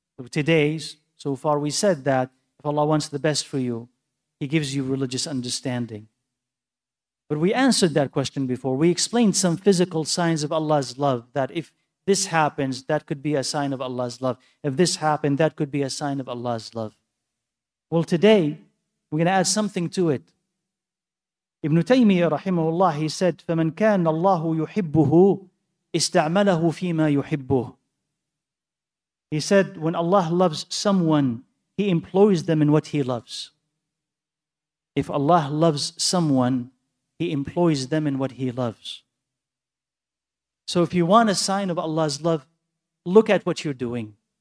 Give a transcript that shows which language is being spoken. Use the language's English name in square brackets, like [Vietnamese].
[English] Today's, so far we said that if Allah wants the best for you, He gives you religious understanding. But we answered that question before. We explained some physical signs of Allah's love, that if this happens, that could be a sign of Allah's love. If this happened, that could be a sign of Allah's love. Well, today, we're going to add something to it. Ibn Taymiyyah rahimahullah, he said, [Arabic] فَمَنْ كَانَ اللَّهُ يُحِبُّهُ إِسْتَعْمَلَهُ فِي مَا يُحِبُّهُ. [English] He said, when Allah loves someone, He employs them in what He loves. If Allah loves someone, He employs them in what He loves. So if you want a sign of Allah's love, look at what you're doing.